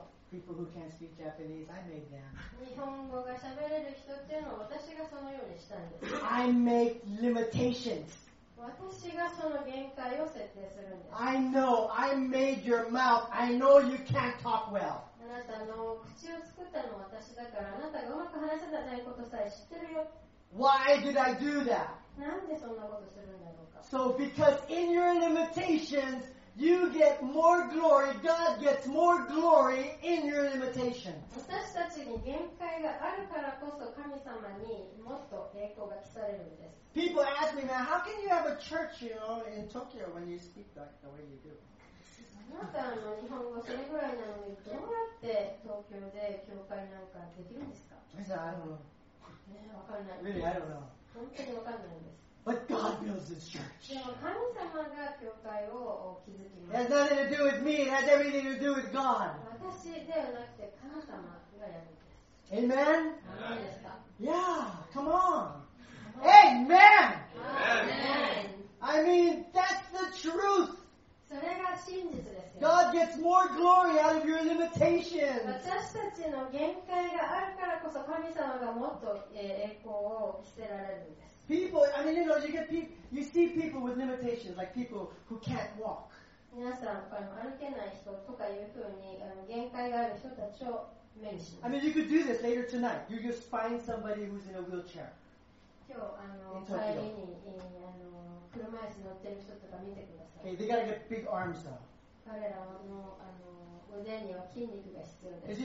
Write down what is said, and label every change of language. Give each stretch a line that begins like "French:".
English: People who can't speak Japanese, I make them. I make limitations.
Japanese: 私がその限界を設定するんです。
English: I know, I made your mouth. I know you can't talk well.
Japanese: あなたの口を作ったのは私だから、あなたがうまく話せないことさえ知ってるよ。
English: Why did I do that?
Japanese: なんでそんなことするんだろうか。
English: So because in your limitations, You get more glory, God gets more glory in your limitation.
Japanese: 私たちに限界があるからこそ神様にもっと栄光が来されるんです。
English: People ask me, man, how can you have a church, you know, in Tokyo when you speak like the way you do?
Japanese: あなたの日本語それぐらいなのにどうやって東京で教会なんかできるんですか?
English: I said, I don't know.
Japanese: ね、わかんない。
English: Really, I don't know.
Japanese: 本当にわかんないんです。
English: But God builds this church.
Japanese: でも神様が教会を築きます。
English: It has nothing to do with me. It has everything to do with God.
Japanese: 私ではなくて神様がやるんです。
English: Amen?
Japanese: Amen ですか?
English: Yeah, come on. Amen! Amen! I mean, that's the truth.
Japanese: それが真実ですよ。
English: God gets more glory out of your limitations.
Japanese: 私たちの限界があるからこそ神様がもっと栄光を着せられるんです。
English: People, I mean, you know, you see people with limitations, like people who can't walk.
Japanese: 皆さん、歩けない人とかいうふうに限界がある人たちを目にします。
English: I mean, you could do this later tonight. You just find somebody who's in a wheelchair.
Japanese: 今日、帰りに車椅子乗ってる人とか見てください。
English: Okay, they gotta get big arms though.
Japanese: 彼らの腕には筋肉が必要です。